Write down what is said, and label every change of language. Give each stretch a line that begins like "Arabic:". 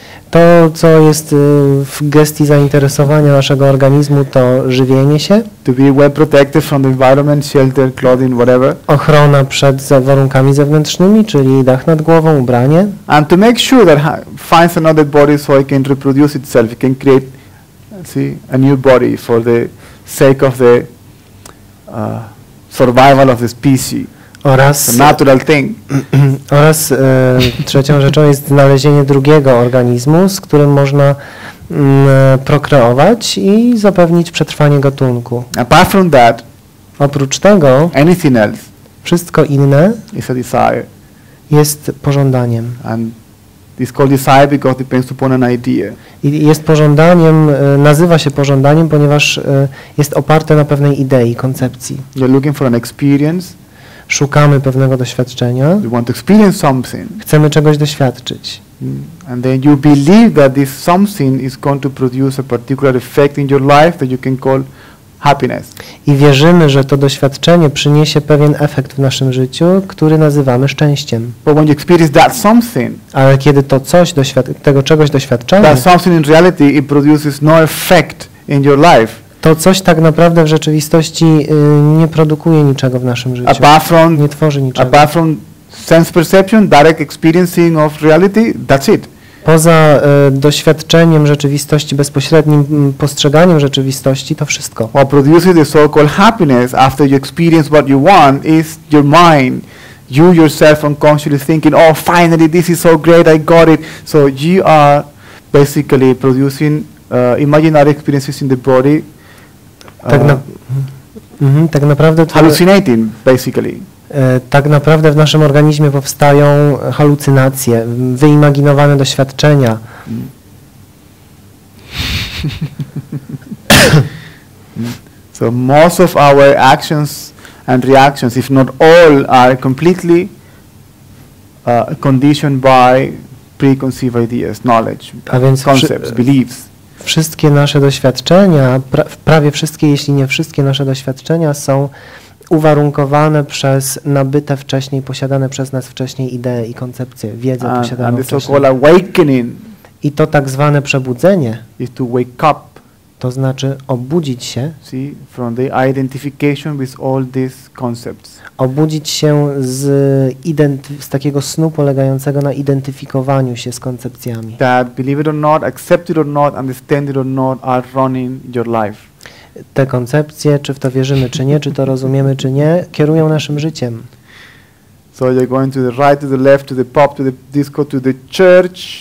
Polish: To, co jest w gestii zainteresowania naszego organizmu, to żywienie się.
English: To be well protected from the environment, shelter, clothing, whatever.
Polish: Ochrona przed warunkami zewnętrznymi, czyli dach nad głową, ubranie.
English: And to make sure that finds another body so it can reproduce itself, it can create, see, a new body for the sake of the survival of the species.
Polish: Oraz,
English: a natural thing.
Polish: Oraz trzecią rzeczą jest znalezienie drugiego organizmu, z którym można prokreować i zapewnić przetrwanie gatunku.
English: Apart from that,
Polish: oprócz tego,
English: anything else,
Polish: wszystko inne
English: is a desire.
Polish: Jest pożądaniem.
English: And it's called desire because it depends upon an idea.
Polish: I jest pożądaniem, nazywa się pożądaniem, ponieważ jest oparte na pewnej idei, koncepcji.
English: You're looking for an experience.
Polish: Szukamy pewnego doświadczenia.
English: We want to experience something.
Polish: Chcemy czegoś doświadczyć.
English: And then you believe that this something is going to produce a particular effect in your life that you can call happiness.
Polish: I wierzymy, że to doświadczenie przyniesie pewien efekt w naszym życiu, który nazywamy szczęściem.
English: But when you experience that something,
Polish: ale kiedy to coś tego czegoś doświadczamy,
English: that something in reality it produces no effect in your life.
Polish: To coś tak naprawdę w rzeczywistości nie produkuje niczego w naszym życiu.
English: Apart from,
Polish: nie tworzy niczego.
English: Apart from sense perception, direct experiencing of reality, that's it.
Polish: Poza doświadczeniem rzeczywistości, bezpośrednim postrzeganiem rzeczywistości, to wszystko.
English: What produces the so-called happiness after you experience what you want is your mind. You yourself unconsciously thinking, oh, finally, this is so great, I got it. So you are basically producing imaginary experiences in the body.
Polish: Tak naprawdę to
English: hallucinating, basically.
Polish: Tak naprawdę w naszym organizmie powstają halucynacje, wyimaginowane doświadczenia.
English: So most of our actions and reactions, if not all, are completely conditioned by preconceived ideas, knowledge, concepts, beliefs.
Polish: Wszystkie nasze doświadczenia, prawie wszystkie, jeśli nie wszystkie nasze doświadczenia są uwarunkowane przez nabyte wcześniej, posiadane przez nas wcześniej idee i koncepcje, wiedzę posiadaną wcześniej.
English: So-called awakening.
Polish: I to tak zwane przebudzenie
English: is to wake up.
Polish: To znaczy obudzić się.
English: See, from the identification with all these concepts.
Polish: Obudzić się z takiego snu polegającego na identyfikowaniu się z koncepcjami.
English: That, believe it or not, accept it or not, understand it or not, are running your life.
Polish: Te koncepcje, czy w to wierzymy, czy nie, czy to rozumiemy, czy nie, kierują naszym życiem.
English: So you're going to the right, to the left, to the pop, to the disco, to the church.